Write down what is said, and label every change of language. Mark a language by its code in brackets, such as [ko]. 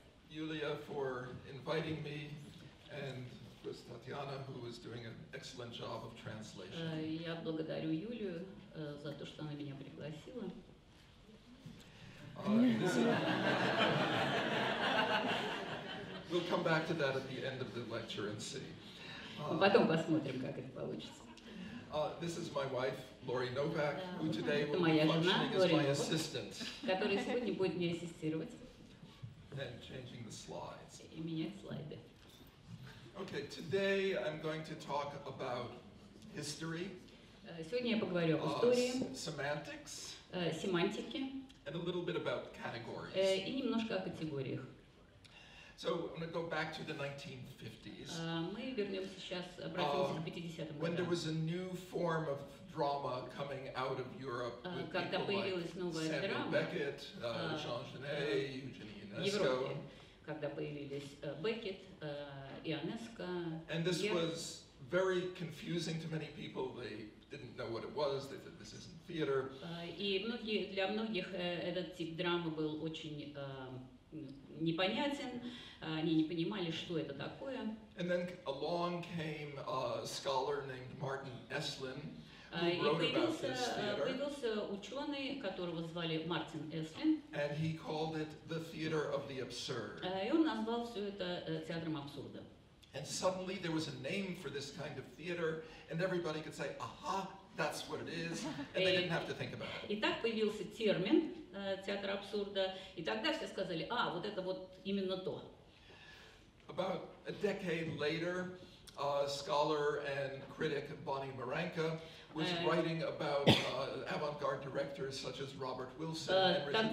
[en] Юлия, for inviting me, and Chris Tatiana, who is doing an excellent job of translation. [ru] Я благодарю Юлию за то, что она меня пригласила. [en] We'll come back to that at the end of the lecture and see. [ru] Потом посмотрим, как это получится. [en] This is my wife, Лори Новак, who today will be functioning as my assistant. [ru] Которая сегодня будет мне ассистировать. [en] And changing the slides. [ru] И менять слайды. [en] Okay, today I'm going to talk about history. [ru] Сегодня я поговорю об истории. [en] Semantics. [ru] Семантики. [en] And a little bit about categories. [ru] И немножко о категориях. [en] So I'm going to go back to the 1950s. [ru] Мы вернемся сейчас, обратимся к 50-м годам. [en] When there was a new form of drama coming out of Europe with people like Samuel Beckett, Jean Genet, Eugenie. [ru] В Европе, когда появились Беккет, Ионеско, [en] and this was very confusing to many people. They didn't know what it was. They thought this isn't theater. [ru] И многие, для многих этот тип драмы был очень непонятен. Они не понимали, что это такое. [en] And then along came a scholar named Martin Eslin, [ru] И появился ученый, которого звали Мартин Эслин. [en] And he called it the theater of the absurd. [ru] И он назвал все это театром абсурда. [en] And suddenly there was a name for this kind of theater, and everybody could say, aha, that's what it is, and they didn't have to think about it. [ru] И так появился термин театр абсурда, и тогда все сказали, а, вот это вот именно то. [en] About a decade later, a scholar and critic Bonnie Maranka was writing about avant-garde directors such as Robert Wilson and Richard Foreman.